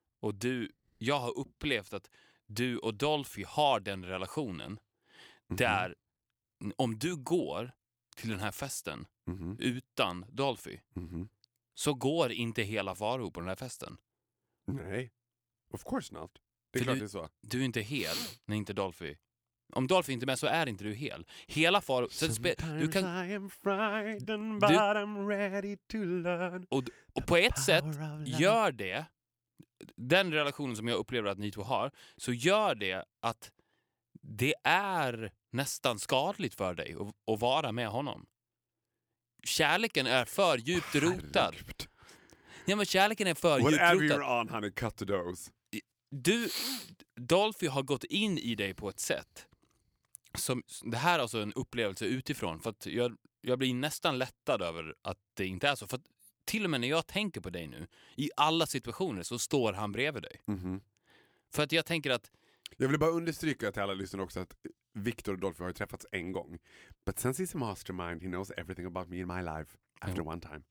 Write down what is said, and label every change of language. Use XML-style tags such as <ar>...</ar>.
<sv>Och jag har upplevt att du och Dolphy har den relationen där om du går till den här festen utan Dolphy så går inte hela Faro på den här festen. Nej,</sv> <en>of course not.</en> <sv>Det är för klart det är så. Du är inte hel när inte Dolphy. Om Dolphy inte är med så är inte du hel. Hela far...</sv> <en>I am frightened but I'm ready to learn.</en> <sv>Och på ett sätt gör det, den relationen som jag upplever att ni två har, så gör det att det är nästan skadligt för dig att vara med honom. Kärleken är för djupt rotad. Ja, men kärleken är för djupt rotad.</sv> <en>Whatever you're on, honey, cut the dough.</en> <sv>Du, Dolphy har gått in i dig på ett sätt som, det här är alltså en upplevelse utifrån, för att jag blir nästan lättad över att det inte är så. För att till och med när jag tänker på dig nu, i alla situationer så står han bredvid dig. Mm-hmm. För att jag tänker att... Jag vill bara understryka till alla lyssnare också att Victor och Dolphy har ju träffats en gång.</sv> <en>But since he's a mastermind, he knows everything about me in my life after one time.</en>